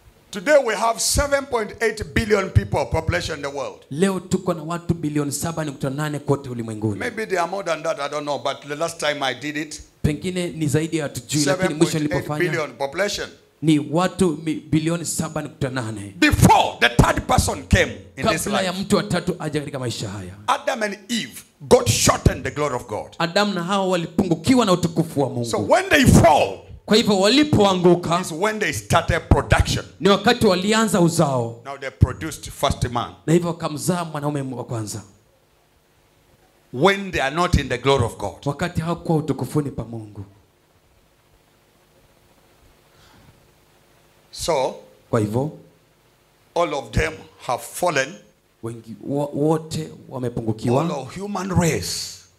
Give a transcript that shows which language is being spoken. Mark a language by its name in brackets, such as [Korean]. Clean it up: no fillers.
[English] Today we have 7.8 billion people population in the world. [Swahili] Leo tuko na watu bilioni 7.8 kote ulimwenguni. [English] Maybe there are more than that, I don't know, but the last time I did it. [Swahili] Pengine ni zaidi ya tujui, lakini mwisho nilipofanya. [English] 7.8 billion population. [Swahili] Ni watu bilioni 7.8. [English] Before the third person came in this life. [Swahili] Kabla ya mtu wa tatu aje katika maisha haya. [English] Adam and Eve got shortened the glory of God. [Swahili] Adam na Hawa walipungukiwa na utukufu wa Mungu. [English] So when they fall. [Swahili] Kwa hivyo walipoanguka. [English] Is when they started production. [Swahili] Ni wakati walianza uzao. [English] Now they produced first man. [Swahili] Na hivyo wakamzaa mwanaume wa kwanza. [English] When they are not in the glory of God. [Swahili] Wakati hawakuwa utukufuni pa Mungu. [English] So, [Swahili] kwa hivyo, [English] all of them have fallen. [Swahili] Wengi wote wamepungukiwa. [English] All of human race.